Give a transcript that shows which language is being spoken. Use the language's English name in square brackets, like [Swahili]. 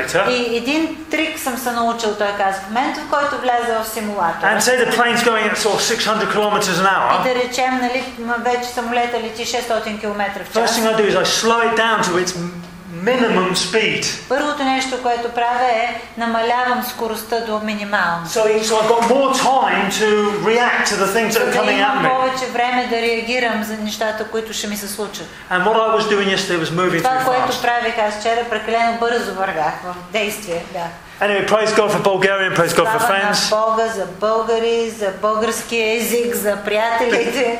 [Bulgarian] И един трик съм се научил, той казва, в момента, в който влезе в симулатора. [English] And say the plane's going at sort of 600 km an hour. [Bulgarian] И да речем, нали, вече самолета лети 600 км в час. [English] First thing I do is I slow it down to its minimum speed. [Bulgarian] Първото нещо, което правя е намалявам скоростта до минимална. [English] So I've got more time to react to the things that are coming at me. [Bulgarian] Имам повече време да реагирам за нещата, които ще ми се случат. [English] And what I was doing yesterday was moving too fast. [Bulgarian] Това, което правих аз вчера, прекалено бързо вървях в действие. [English] Anyway, praise God for Bulgaria and praise God for friends. [Bulgarian] Слава на Бога за българи, за български език, за приятелите.